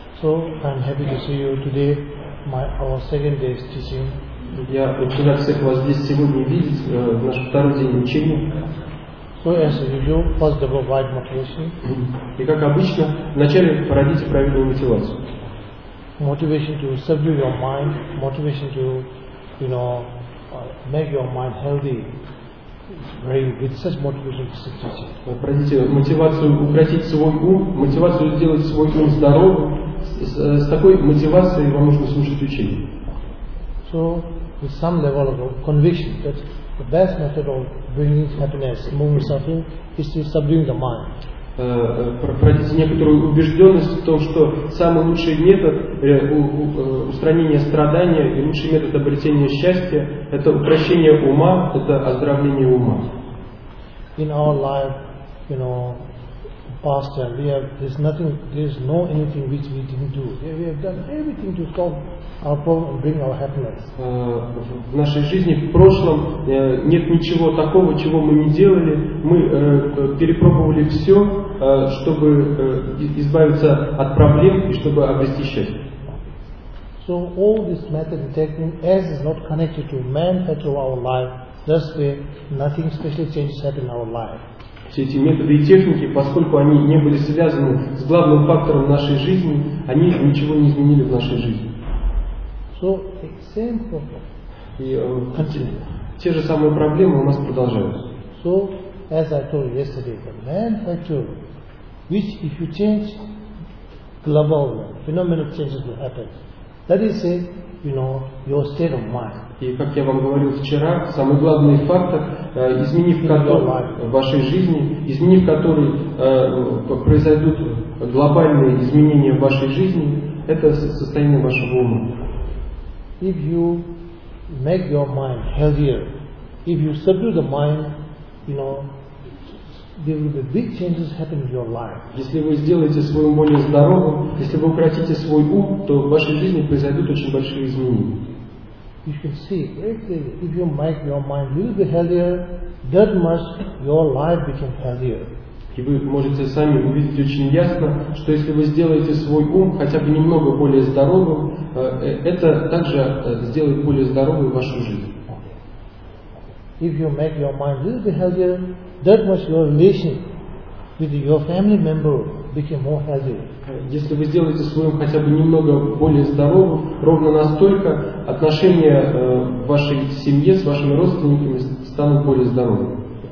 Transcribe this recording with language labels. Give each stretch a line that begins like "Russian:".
English: So I'm happy to see you today, our second day's teaching.
Russian: Я очень рад всех вас здесь сегодня видеть, в наш второй день учения.
English: So as usual, first of all, write motivation.
Russian: И как обычно, вначале породите правильную мотивацию.
English: Motivation to subdue your mind, motivation to, you know, make your mind healthy. With such motivation to sit teaching.
Russian: Пройдите мотивацию укротить свой ум, мотивацию сделать свой ум здоровым. С такой мотивацией вам нужно слушать учение.
English: So, with some level of conviction that the best method of bringing happiness, moving suffering, is to subdue the mind.
Russian: Пройдите некоторую убежденность в том, что самый лучший метод устранения страдания и лучший метод обретения счастья – это упрощение ума, это оздоровление ума.
English: In our life, you know, pastor, we have there's nothing, there's no anything which we didn't do. We have done everything to solve our problem and bring our happiness.
Russian: В нашей жизни, в прошлом, нет ничего такого, чего мы не делали. Мы перепробовали все, чтобы избавиться от проблем и чтобы обрести счастье.
English: So all this method and technique, as is not connected to man, but to our life, thus there nothing special changes happen in our life.
Russian: Все эти методы и техники, поскольку они не были связаны с главным фактором нашей жизни, они ничего не изменили в нашей жизни.
English: So, same problem.
Russian: И те же самые проблемы у нас продолжаются.
English: So, as I told yesterday, the man factor, which if you change globally, phenomenal changes will happen. That is say, you know, your state of mind.
Russian: И как я вам говорил вчера, самый главный фактор, изменив который в вашей жизни, изменив который произойдут глобальные изменения в вашей жизни, это состояние вашего ума.
English: If you make your mind healthier, if you subdue the mind, you know, there will be big changes happen in your life.
Russian: Если вы сделаете свой ум более здоровым, если вы укротите свой ум, то в вашей жизни произойдут очень большие изменения.
English: You can see, if you make your mind a little bit healthier, that much your life becomes healthier.
Russian: И вы можете сами увидеть очень ясно, что если вы сделаете свой ум хотя бы немного более здоровым, это также сделает более здоровой вашу жизнь.
English: If you make your mind a little bit healthier, that much your relation with your family member became more healthier.
Russian: Если вы сделаете свой ум хотя бы немного более здоровым, ровно настолько отношения в вашей семье с вашими родственниками станут более здоровыми.